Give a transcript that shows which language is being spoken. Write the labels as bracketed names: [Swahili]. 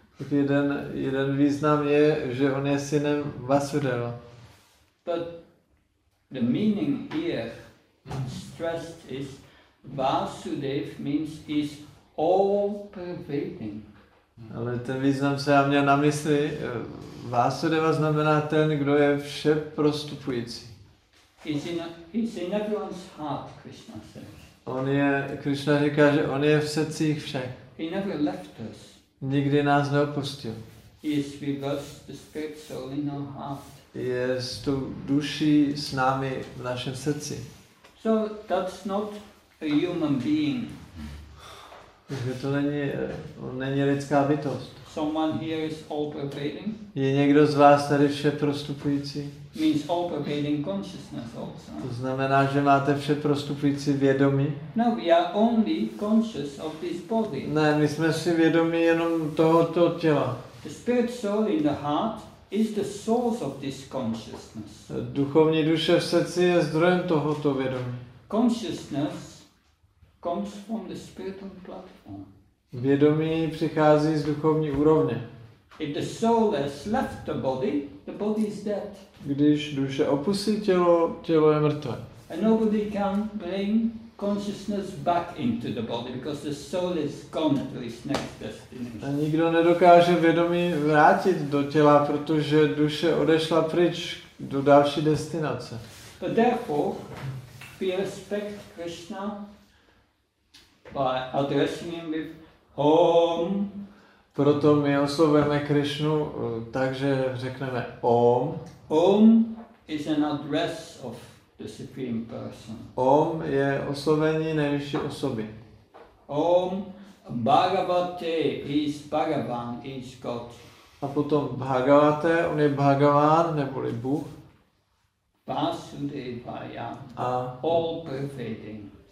[Czech] Tak jeden význam je, že on je synem Vasudeva. [English] But the meaning here stressed is Vasudev means is all pervading. [Czech] Ale ten význam se já měl na mysli, Vasudeva znamená ten, kdo je vše prostupující. [English] He's in everyone's heart, Krishna says. [Czech] On je, Krishna říká, že on je v srdcích všech. [English] He never left us. [Czech] Nikdy nás neopustil. [English] He is with us, the spirit soul in our heart. [Czech] Je s tou duší s námi v našem srdci. [English] So that's not a human being. [Czech] Takže to není lidská bytost. [English] Someone here is all pervading. [Czech] Je někdo z vás tady vše prostupující? [English] Means all pervading consciousness also. [Czech] To znamená, že máte vše prostupující vědomí? [English] No, we are only conscious of this body. [Czech] Ne, my jsme si vědomi jenom tohoto těla. [English] The spirit soul in the heart is the source of this consciousness. [Czech] Duchovní duše v srdci je zdrojem tohoto vědomí. [English] Consciousness comes from the spiritual platform. [Czech] Vědomí přichází z duchovní úrovně. [English] If the soul has left the body is dead. [Czech] Když duše opustí tělo, tělo je mrtvé. [English] And nobody can bring consciousness back into the body because the soul is gone to its next destination. [Czech] A nikdo nedokáže vědomí vrátit do těla, protože duše odešla pryč do další destinace. [English] But therefore, we respect Krishna by addressing him with Om. [Czech] Proto my oslovujeme Krishnu, takže řekneme Om. [English] Om is an address of the Supreme Person. [Czech] Om je oslovení nejvyšší osoby. [English] Om Bhagavate is Bhagavan, is God. [Czech] A potom Bhagavate, on je Bhagavan, neboli Bůh. [English] Vasudevaya, all pervading.